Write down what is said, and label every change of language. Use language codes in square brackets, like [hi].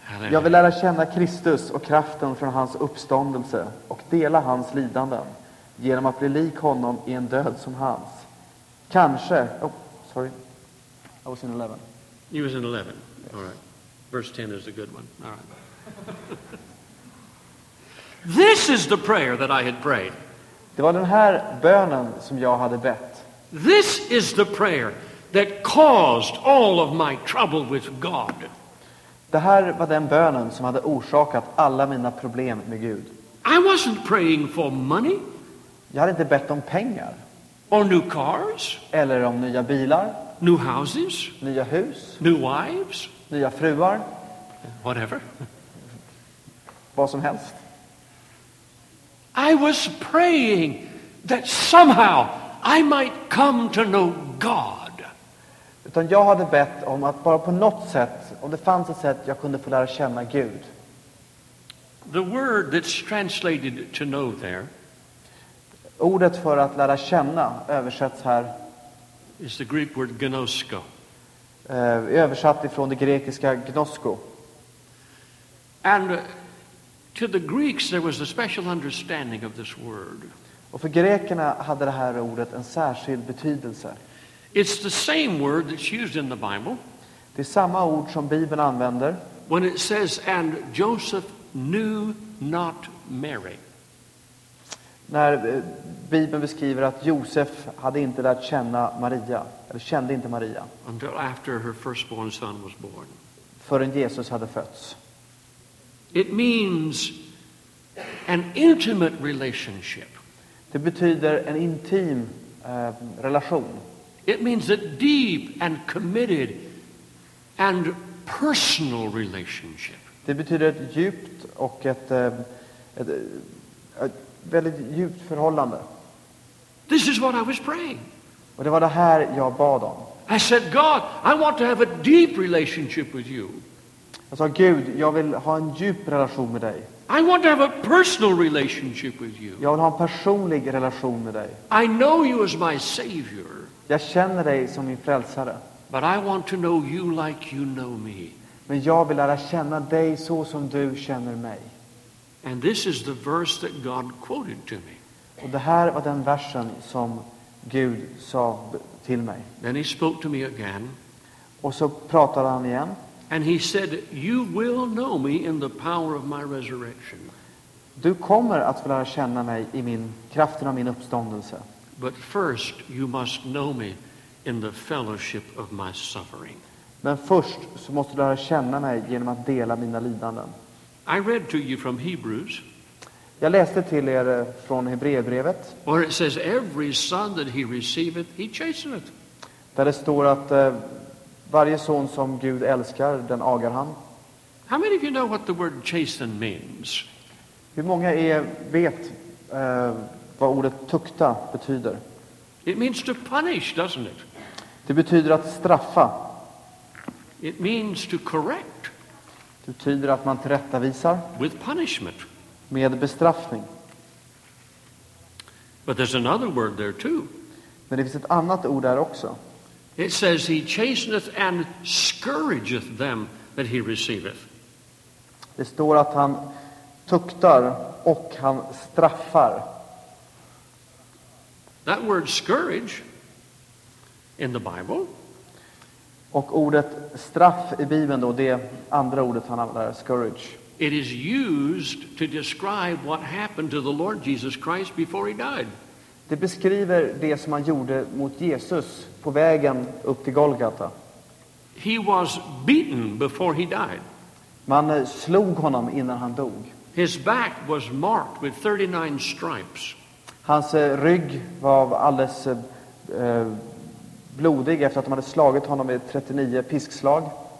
[sv] Jag vill lära känna Kristus och kraften från hans uppståndelse och dela hans lidanden genom att bli lik honom i en död som hans. Kanske. [en] Oh, sorry. I was in 11. You was in 11. Yes. All right. Verse 10 is a good one. All right. This is the prayer that I had prayed. [sv] Det var den här bönen som jag hade bett. [en] This is the prayer that caused all of my trouble with God. [sv] Det här var den bönen som hade orsakat alla mina problem med Gud. [en] I wasn't praying for money. [sv] Jag hade inte bett om pengar. [en] Or new cars. [sv] Eller om nya bilar. [en] New houses. [sv] Nya hus. [en] New wives. [sv] Nya fruar. [en] Whatever. [sv] Vad som helst. [en] I was praying that somehow I might come to know God. [sv] Utan jag hade bett om att bara på något sätt, om det fanns ett sätt jag kunde få lära känna Gud. [en] The word that's translated to know there. [sv] Ordet för att lära känna översätts här. [en] Is the Greek word gnosko. [sv] Översatt ifrån det grekiska gnosko. [en] And to the Greeks there was a special understanding of this word. [sv] Och för grekerna hade det här ordet en särskild betydelse. [en] It's the same word that's used in the Bible. [sv] Det är samma ord som Bibeln använder. [en] When it says and Joseph knew not Mary. [sv] När Bibeln beskriver att Josef hade inte lärt känna Maria eller kände inte Maria. [en] Until after her firstborn son was born. [sv] Förrän Jesus hade fötts. [en] It means an intimate relationship. [sv] Det betyder en intim relation. [en] It means a deep and committed and personal relationship. [sv] Det betyder ett djupt och ett väldigt djupt förhållande. [en] This is what I was praying. [sv] Och det var det här jag bad om. [en] I said, God, I want to have a deep relationship with you. [sv] Jag sa, Gud, jag vill ha en djup relation med dig. [en] I want to have a personal relationship with you. [sv] Jag vill ha en personlig relation med dig. [en] I know you as my savior. [sv] Jag känner dig som min frälsare. [en] But I want to know you like you know me. [sv] Men jag vill lära känna dig så som du känner mig. [en] And this is the verse that God quoted to me. [sv] Och det här var den versen som Gud sa till mig. [en] Then he spoke to me again. [sv] Och så pratade han igen. [en] And he said, "You will know me in the power of my resurrection." [sv] Du kommer att få lära känna mig i min kraften av min uppståndelse. [en] But first, you must know me in the fellowship of my suffering. [sv] Men först så måste du lära känna mig genom att dela mina lidanden. [en] I read to you from Hebrews. [sv] Jag läste till er från Hebreerbrevet. [en] Where it says, "Every son that he receiveth, he chasteneth." [sv] Där det står att varje son som Gud älskar, den agar han. [en] How many of you know what the word chasten means? [sv] Hur många vet vad ordet tukta betyder? [en] It means to punish, doesn't it? [sv] Det betyder att straffa. [en] It means to correct. [sv] Det betyder att man tillrättavisar. [en] With punishment. [sv] Med bestraffning. [en] But there's another word there too. [sv] Men det finns ett annat ord där också. [en] It says he chasteneth and scourgeth them that he receiveth. [sv] Det står att han tuktar och han straffar. [en] That word scourge in the Bible. [sv] Och ordet straff i Bibeln då, det andra ordet han använder, scourge. [en] It is used to describe what happened to the Lord Jesus Christ before he died. [sv] Det beskriver det som han gjorde mot Jesus på vägen upp till Golgata. [en] He was beaten before he died. [sv] Man slog honom innan han dog. [en] His back was marked with 39 stripes. [sv] Hans rygg var alldeles blodig efter att de hade slagit honom med 39 piskslag.